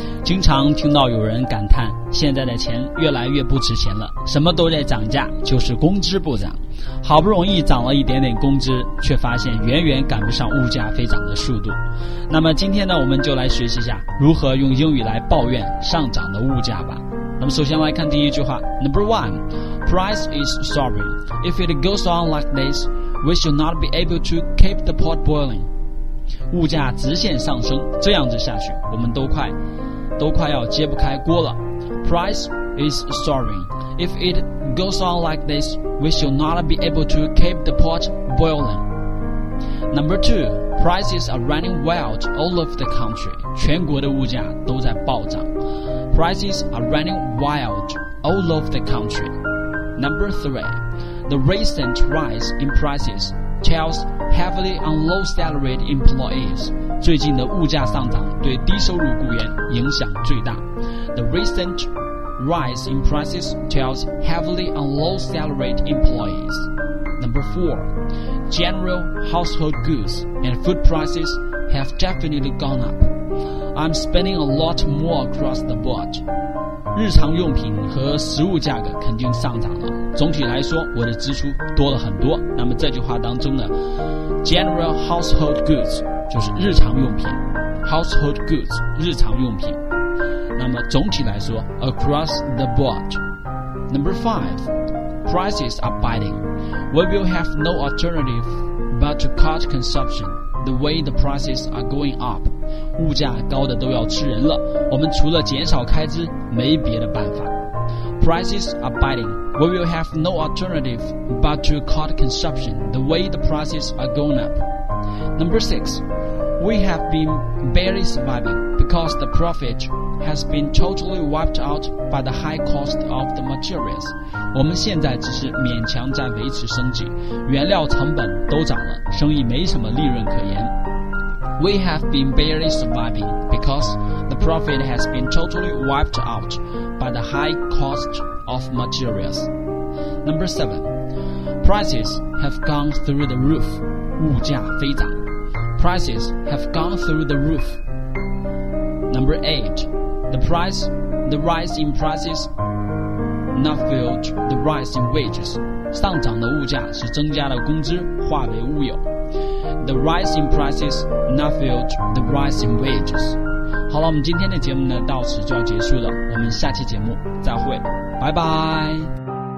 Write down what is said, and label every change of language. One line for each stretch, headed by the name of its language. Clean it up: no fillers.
Chinese: 经常听到有人感叹现在的钱越来越不值钱了，什么都在涨价，就是工资不涨，好不容易涨了一点点工资，却发现远远赶不上物价飞涨的速度。那么今天呢，我们就来学习一下如何用英语来抱怨上涨的物价吧。那么首先来看第一句话，
English: Number one, price is soaring. If it goes on like this,We should not be able to keep the pot boiling.
Chinese: 物价直线上升，这样子下去，我们都快要揭不开锅了。
English: Price is soaring. If it goes on like this, we should not be able to keep the pot boiling. Number two, prices are running wild all over the country.
Chinese: 全国的物价都在暴涨。
English: Prices are running wild all over the country. Number three. The recent rise in prices tells heavily on low-salaried employees.
Chinese: 最近的物价上涨对低收入雇员影响最大。
English: The recent rise in prices tells heavily on low-salaried employees. Number four, general household goods and food prices have definitely gone up. I'm spending a lot more across the board.
Chinese: 日常用品和食物价格肯定上涨了，总体来说我的支出多了很多。那么这句话当中呢，
English: general household goods
Chinese: 就是日常用品，
English: household goods
Chinese: 日常用品，那么总体来说
English: across the board. Number five, prices are biting. We will have no alternative but to cut consumption the way the prices are going up.
Chinese: 物价高的都要吃人了，我们除了减少开支没别的办法。
English: Prices are biting. We will have no alternative but to cut consumption the way the prices are going up. Number six, we have been barely surviving because the profit has been totally wiped out by the high cost of the materials.
Chinese: 我们现在只是勉强在维持生计，原料成本都涨了，生意没什么利润可言。
English: We have been barely surviving because the profit has been totally wiped out by the high cost of materials. Number seven, prices have gone through the roof.
Chinese: 物价飞涨。
English: Prices have gone through the roof. Number eight, the rise in prices not filled the rise in wages.
Chinese: 上涨的物价是增加了工资，化为乌有。
English: The rise in prices not filled the rise in wages.
Chinese: 好了，我们今天的节目呢到此就要结束了，我们下期节目再会，拜拜。